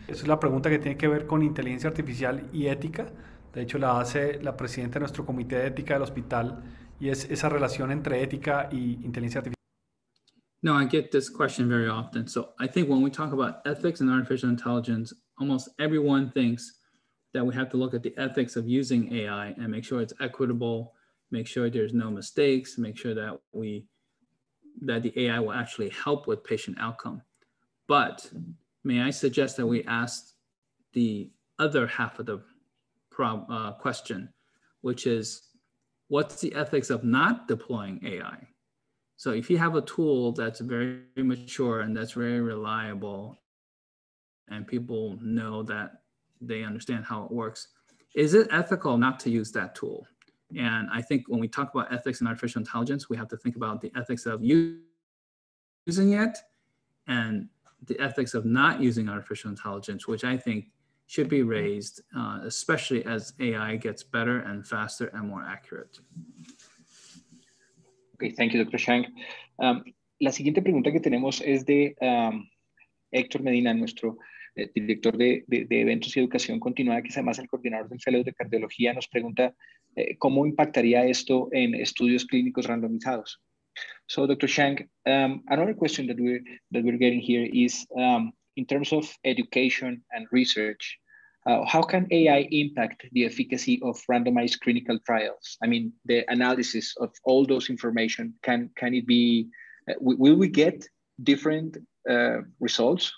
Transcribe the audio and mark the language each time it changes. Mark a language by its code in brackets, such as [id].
[es] Es la pregunta que tiene que ver con inteligencia artificial y ética. De hecho, la hace la presidenta de nuestro comité de ética del hospital y es esa relación entre ética y inteligencia artificial. [en] No, I get this question very often. So I think when we talk about ethics and artificial intelligence, almost everyone thinks that we have to look at the ethics of using AI and make sure it's equitable, make sure there's no mistakes, make sure that the AI will actually help with patient outcome. But may I suggest that we ask the other half of the question, which is, what's the ethics of not deploying AI? So if you have a tool that's very mature and that's very reliable and people know that they understand how it works, is it ethical not to use that tool? And I think when we talk about ethics and artificial intelligence, we have to think about the ethics of using it and the ethics of not using artificial intelligence, which I think should be raised, especially as AI gets better and faster and more accurate. Okay, thank you, Dr. Chang. [es] La siguiente pregunta que tenemos es de Héctor Medina, nuestro director de eventos y educación continuada, que es además el coordinador del Fellow de Cardiología, nos pregunta cómo impactaría esto en estudios clínicos randomizados. [en] So, Dr. Chang, another question that we're getting here is in terms of education and research, how can AI impact the efficacy of randomized clinical trials? I mean, the analysis of all those information, can it be, will we get different results?